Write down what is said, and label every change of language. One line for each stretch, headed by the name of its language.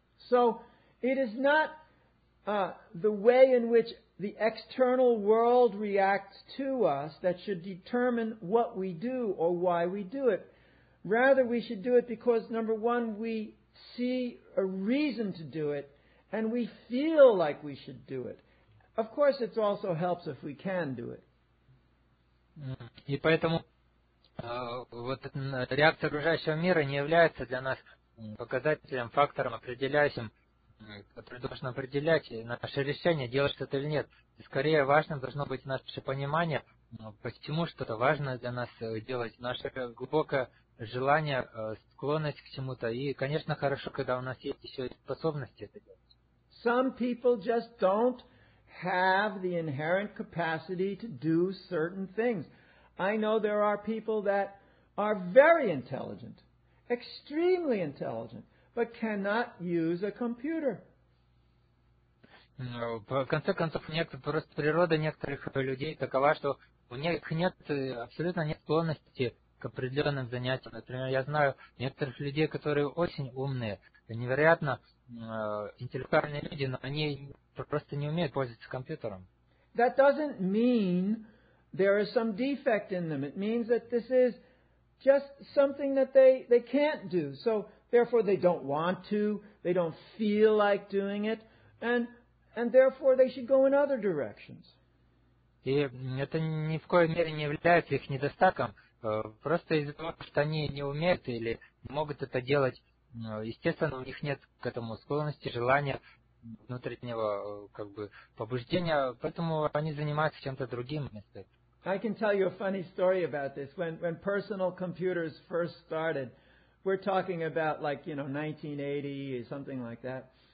English: So, it is not the way in which the external world reacts to us that should determine what we do or why we do it. Rather, we should do it because, number one, we see a reason to do it, and we feel like we should do it. Of course, it also helps if we can do it.
Russian: И поэтому вот реакция окружающего мира не является для нас показателем, фактором, определяющим, который должен определять наше решение, делать что-то или нет. И скорее важным должно быть наше понимание, почему что-то важно для нас делать, наше глубокое желание, склонность к чему-то. И, конечно, хорошо, когда у нас есть еще и способности это делать.
English: Some people just don't have the inherent capacity to do certain things. I know there are people that are very intelligent, extremely intelligent, but cannot use a computer.
Russian: В конце концов, просто природа некоторых людей такова, что у них нет, абсолютно нет склонности к определенным занятиям. Например, я знаю некоторых людей, которые очень умные, невероятно интеллектуальные люди, но они просто не умеют пользоваться компьютером.
English: That doesn't mean there is some defect in them. It means that this is just something that they can't do. So therefore they don't want to, they don't feel like doing it, and therefore they should go in other directions.
Russian: И это ни в коей мере не является их недостатком. Просто из-за того, что они не умеют или не могут это делать, естественно, у них нет к этому склонности, желания, внутреннего как бы побуждения, поэтому они занимаются чем-то другим вместо этого.
English: I can tell you a funny story about this. When personal computers first started, we're talking about 1980 or something like that.